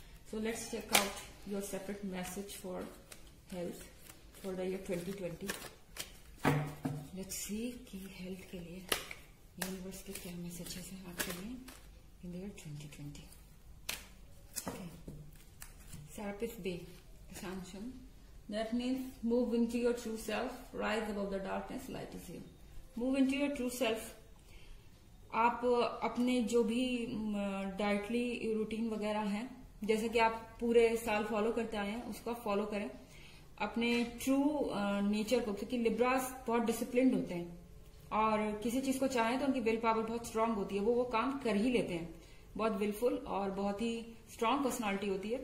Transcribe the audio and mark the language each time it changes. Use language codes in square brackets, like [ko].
[en] So let's check out your separate message for health for the year 2020. [hi] Let's see कि health के लिए universe के क्या messages हैं आपके लिए [en] In the year 2020. Serapis Bay, Sanctum. That means move into your true self, rise above the darkness, light is here. Move into your true self. [hi] आप अपने जो भी डायटली रूटीन वगैरह हैं, जैसे कि आप पूरे साल फॉलो करते आए हैं, उसको आप फॉलो करें अपने ट्रू नेचर को, क्योंकि लिब्रास बहुत डिसिप्लिन्ड होते हैं और किसी चीज को चाहें तो उनकी विल पावर बहुत स्ट्रांग होती है, वो काम कर ही लेते हैं, बहुत विलफुल और बहुत ही स्ट्रांग पर्सनालिटी होती है.